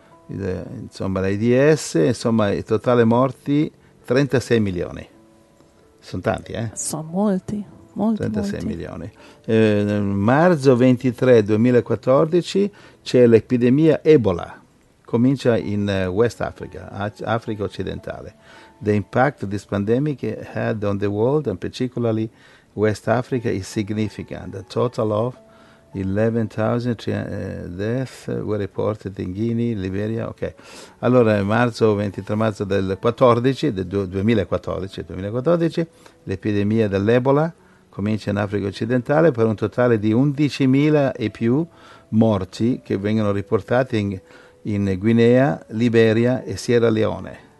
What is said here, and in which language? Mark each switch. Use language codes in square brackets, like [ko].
[it] Insomma, l'AIDS, insomma, il totale morti 36 milioni. Sono tanti, eh? Sono molti, molti, 36 molti. Milioni. Marzo 23, 2014, c'è l'epidemia Ebola. Comincia in West Africa, Africa occidentale. [en] The impact of this pandemic had on the world, and particularly West Africa, is significant. A total of 11,000 deaths were reported in Guinea, Liberia. Okay. [it] Allora, marzo 23 marzo del 14, del 2014, l'epidemia dell'Ebola comincia in Africa occidentale per un totale di 11.000 e più morti che vengono riportati in Guinea, Liberia e Sierra Leone.